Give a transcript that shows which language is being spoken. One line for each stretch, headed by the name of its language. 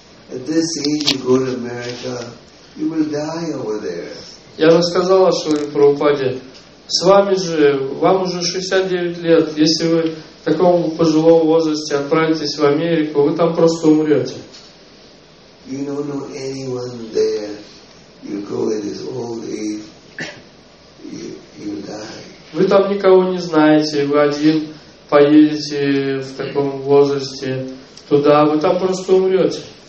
English: At this age, you go to America, you will die over there.
Russian: Я рассказала Шриле Прабхупаде, с вами же, вам уже 69 лет. Если вы в таком пожилом возрасте отправитесь в Америку, вы там просто умрете.
English: You don't know anyone there. You go in this old age, you die.
Russian: Вы там никого не знаете, вы один. Поедете в таком возрасте туда, вы там просто умрете.